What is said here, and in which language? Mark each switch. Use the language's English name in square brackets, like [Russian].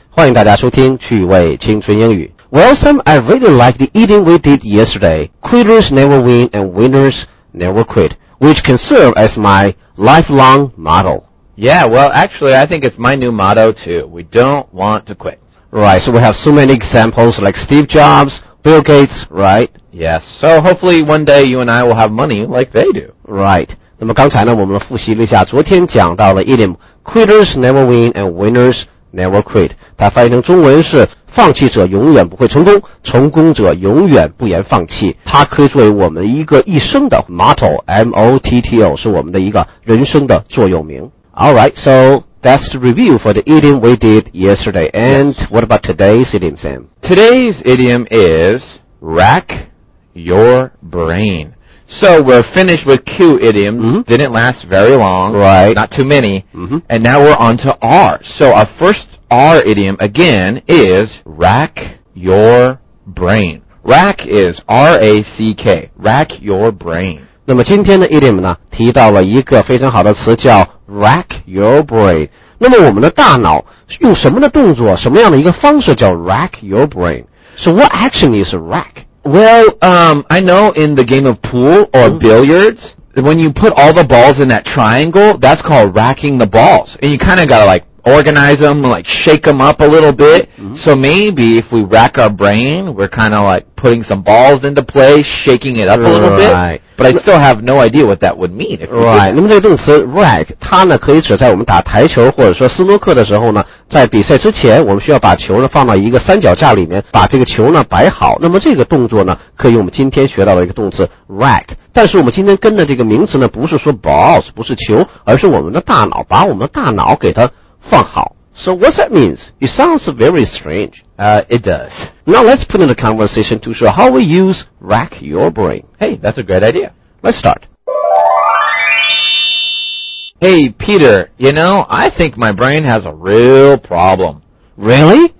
[Chinese] 欢迎大家收听趣味青春英语。 [English] Well, Sam, I really like the eating we did yesterday. Quitters never win and winners never quit, which can serve as my lifelong motto. Yeah, well, actually, I think it's my new motto, too. We don't want to quit. Right, so we have so many examples like Steve Jobs, Bill Gates, right? Yes, so hopefully one day you and I will have money like they do. Right. [Chinese] 那么刚才呢我们复习了一下昨天讲到了 idiom [English] Quitters never win and winners never quit [Chinese] 它翻译成中文是放弃者永远不会成功成功者永远不言放弃它可以作为我们一个一生的 motto M-O-T-T-O 是我们的一个人生的座右铭 [English] Alright, so that's the review for the idiom we did yesterday And yes. What about today's idiom, Sam? Today's idiom is Rack your brainSo we're finished with Q idioms,、 didn't last very long, right? Not too many,、 mm-hmm. and now we're on to R. So our first R idiom again is rack your brain. Rack is R-A-C-K, rack your brain. [Chinese] 那么今天的 idiom 呢提到了一个非常好的词叫 rack your brain. 那么我们的大脑用什么的动作什么样的一个方式叫 rack your brain? [English] So what action is rack? Well, I know in the game of pool or billiards, when you put all the balls in that triangle, that's called racking the balls. And you kind of got to like organize them, like shake them up a little bit. Mm-hmm. So maybe if we rack our brain, we're kind of like putting some balls into play, shaking it up a little bit. But I still have no idea what that would mean. [Chinese] Right. 那么这个动词 rack, 它呢可以指在我们打台球或者说斯诺克的时候呢在比赛之前我们需要把球呢放到一个三脚架里面把这个球呢摆好。那么这个动作呢可以我们今天学到的一个动词 rack。但是我们今天跟的这个名词呢不是说 balls, 不是球而是我们的大脑把我们的大脑给它放好。 [English] So what's that means? It sounds very strange. It does. Now let's put in a conversation to show how we use rack your brain. Hey, that's a great idea. Let's start. Hey, Peter, you know, I think my brain has a real problem. Really?